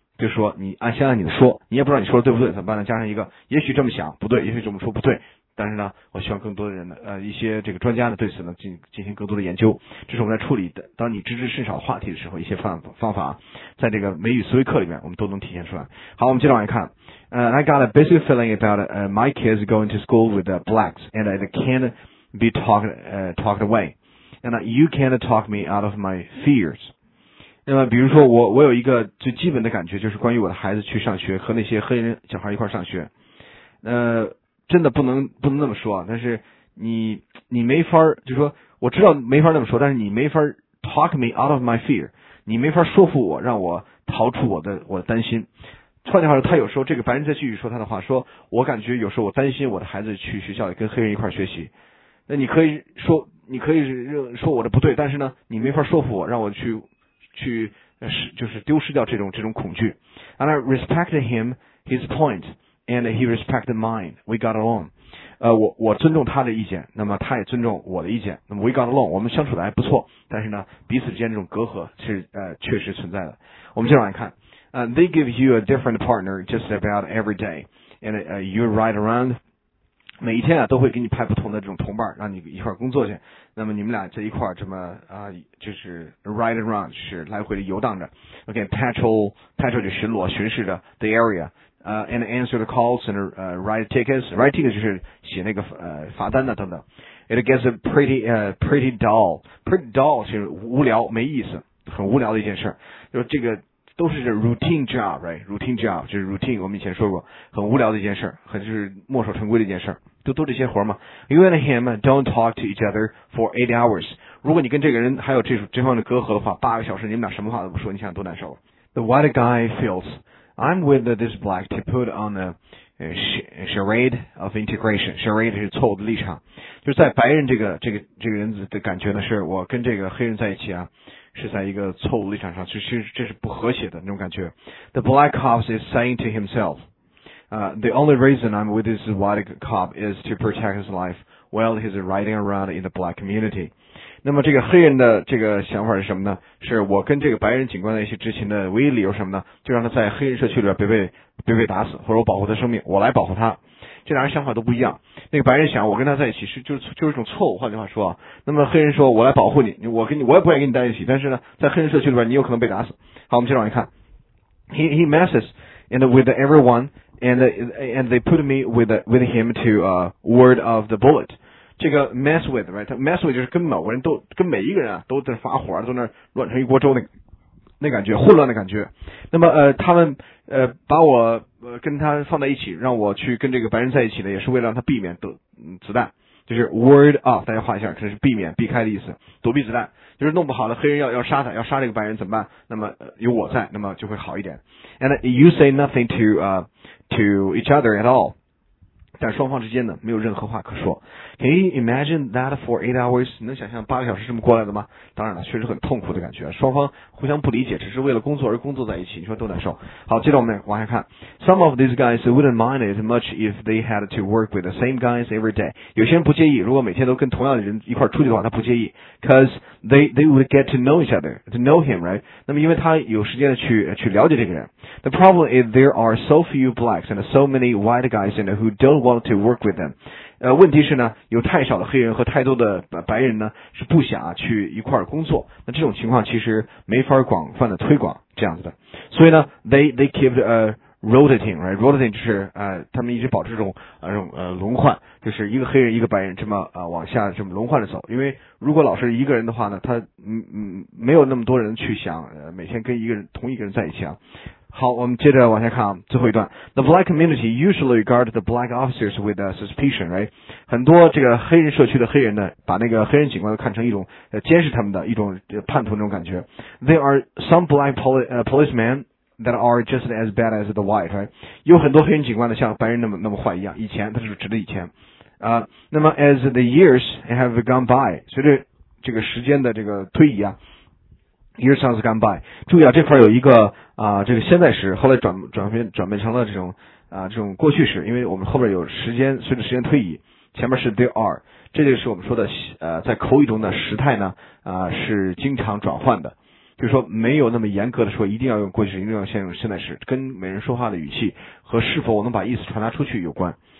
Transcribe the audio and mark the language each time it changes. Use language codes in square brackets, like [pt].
[zh] 就是说你先按你的说，你也不知道你说的对不对，怎么办呢？加上一个也许这么想不对，也许这么说不对，但是呢我希望更多的人一些这个专家呢对此呢进行更多的研究。这是我们在处理的当你知之甚少话题的时候一些方法在这个美语思维课里面我们都能体现出来。好，我们接着往下看。 [en] I got a basic feeling about my kids going to school with blacks and it can't be talked away. And you can't talk me out of my fears. [zh] 那么比如说我有一个最基本的感觉，就是关于我的孩子去上学和那些黑人小孩一块上学，真的不能那么说，但是你没法，就是说我知道没法那么说，但是你没法 [en] talk me out of my fear， [zh] 你没法说服我让我逃出我的担心。换句话说，他有时候这个白人在继续说他的话，说我感觉有时候我担心我的孩子去学校里跟黑人一块学习，那你可以说我的不对，但是呢你没法说服我让我去就是丢失掉这种恐惧。 [en] And I respected him, his point, and he respected mine. We got along. [zh] 我尊重他的意见，那么他也尊重我的意见，那么 [en] we got along， [zh] 我们相处的还不错，但是呢彼此之间这种隔阂是确实存在的。我们接着来看。 [en] They give you a different partner just about every day, and you ride around. [zh] 每一天啊都会给你派不同的这种同伴让你一块工作去。那么你们俩在一块儿这么就是 [en] ride around， [zh] 是来回的游荡着。 [en] OK， patrol [zh] 就巡逻巡视着 [en] the area， and answer the calls and write tickets， write tickets [zh] 就是写那个罚单的等等。 [en] It gets pretty dull， pretty dull [zh] 是无聊没意思，很无聊的一件事。就这个都是 [en] routine job， [zh] right？ [en] routine job [zh] 就是 routine， 我们以前说过很无聊的一件事，很就是墨守成规的一件事。都这些活嘛。 [en] You and him don't talk to each other for 8 hours. [zh] 如果你跟这个人还有这方的隔阂的话，八个小时你们俩什么话都不说，你想多难受。 [en] The white guy feels I'm with this black to put on a charade of integration. [zh] Charade 是错误的立场，就是在白人这个人的感觉呢，是我跟这个黑人在一起啊，是在一个错误立场上，就是这是不和谐的那种感觉。 [en] The black cop is saying to himself. The only reason I'm with this white cop is to protect his life while he's riding around in the black community. [zh] 那么这个黑人的这个想法是什么呢？是我跟这个白人警官在一起之前的唯一理由什么呢？就让他在黑人社区里边别被打死，或者我保护他生命，我来保护他。这俩人想法都不一样。那个白人想，我跟他在一起就是一种错误。换句话说，那么黑人说我来保护你，我也不愿意跟你待一起，但是呢，在黑人社区里边你有可能被打死。好，我们接着往下看。 [en] He messes and with everyone. And they put me with him to word of the bullet. [zh] 这个 [en] mess with, right? Mess with [zh] 就是跟某个人都跟每一个人啊都在发火，都在那乱成一锅粥那感觉，混乱的感觉。那么他们把我跟他放在一起，让我去跟这个白人在一起呢，也是为了让他避免子弹，就是 [en] word of， [zh] 大家画一下，可能是避免避开的意思，躲避子弹。就是弄不好了，黑人要杀他，要杀这个白人怎么办？那么有我在，那么就会好一点。 [en] And you say nothing to each other at all. [zh] 但双方之间呢没有任何话可说。 [en] Can you imagine that for 8 hours? [zh] 你能想象八个小时这么过来的吗？当然了，确实很痛苦的感觉。双方互相不理解，只是为了工作而工作在一起，你说多难受。好，接着我们往下看。 [en] Some of these guys wouldn't mind it much if they had to work with the same guys every day. [zh] 有些人不介意，如果每天都跟同样的人一块出去的话，他不介意。 [en] Cause they would get to know each other, to know him, right? [zh] 那么因为他有时间去了解这个人。 [en] The problem is there are so few blacks and so many white guys in who don't want to work with them. [zh] 问题是呢，有太少的黑人和太多的白人呢是不想啊去一块儿工作。那这种情况其实没法广泛的推广这样子的。所以呢 ， [en] they keep a rotating， right？ [zh] rotating 就是他们一直保持这种这种轮换，就是一个黑人一个白人这么往下这么轮换着走。因为如果老是一个人的话呢，他没有那么多人去想每天跟一个人同一个人在一起啊。好，我们接着往下看啊，最后一段。 [en] The black community usually regard the black officers with suspicion, right? [zh] 很多这个黑人社区的黑人呢，把那个黑人警官看成一种监视他们的一种叛徒那种感觉。 [en] There are some black policemen that are just as bad as the white, right? [zh] 有很多黑人警官呢，像白人那么坏一样。以前，他是指的以前。那么 [en] as the years have gone by, [zh] 随着这个时间的这个推移啊。 [en] Years has gone by。 [zh] 注意啊，这块有一个这个现在时，后来转变成了这种过去时，因为我们后边有时间，随着时间推移，前面是 [en] there are， [zh] 这就是我们说的在口语中的时态呢是经常转换的，就是说没有那么严格的说一定要用过去时，一定要先用现在时，跟每人说话的语气和是否我能把意思传达出去有关。